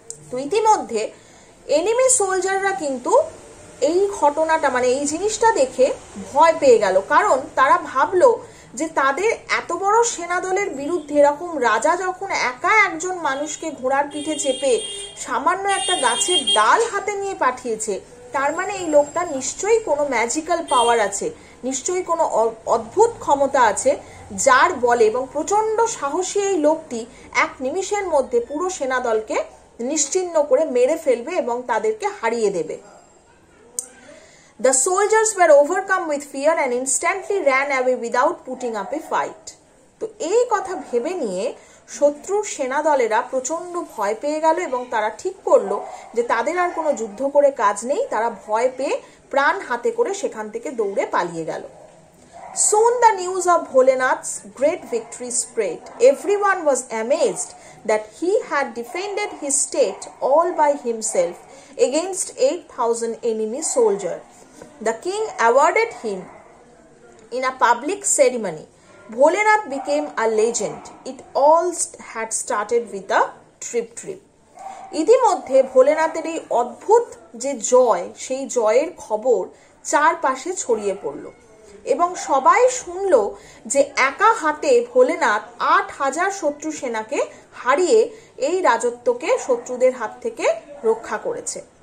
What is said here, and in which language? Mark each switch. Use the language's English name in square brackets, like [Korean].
[Bangla] তো ইতিমধ্যে এনিমি সোলজাররা কিন্তু এই ঘটনাটা মানে এই জিনিসটা দেখে ভয় পেয়ে গেল, কারণ তারা ভাবলো যে তাদের এত বড় সেনাদলের বিরুদ্ধে এরকম রাজা যখন একা একজন মানুষকে ঘোড়ার পিঠে চেপে সামান্য একটা গাছের ডাল হাতে নিয়ে পাঠিয়েছে, তার মানে এই লোকটা নিশ্চয়ই কোনো ম্যাজিক্যাল পাওয়ার আছে, নিশ্চয়ই কোনো অদ্ভুত ক্ষমতা আছে যার বলে, এবং প্রচণ্ড সাহসী এই লোকটি এক নিমিষের মধ্যে পুরো সেনাদলকে নিশ্চিহ্ন করে মেরে ফেলবে এবং তাদেরকে হারিয়ে দেবে। [English] The soldiers were overcome with fear and instantly ran away without putting up a fight. [Bangla] তো এই কথা ভেবে নিয়ে শত্রুর সেনাদলেরা প্রচণ্ড ভয় পেয়ে গেল এবং তারা ঠিক করলো যে তাদের আর কোনো যুদ্ধ করে কাজ নেই, তারা ভয় পেয়ে প্রাণ হাতে করে সেখান থেকে দৌড়ে পালিয়ে গেল। [English] Soon the news of Bholenath's great victory spread. Everyone was amazed that he had defended his state all by himself against 8,000 enemy soldiers. The king awarded him in a public ceremony. Bholenath became a legend. It all had started with a trip. [Bangla] ইতিমধ্যে ভোলেনাথের এই অদ্ভুত যে জয়, সেই জয়ের খবর চারপাশে ছড়িয়ে পড়ল এবং সবাই শুনল যে একা হাতে ভোলেনাথ 8,000 শত্রু সেনাকে হারিয়ে এই রাজত্বকে শত্রুদের হাত থেকে রক্ষা করেছে।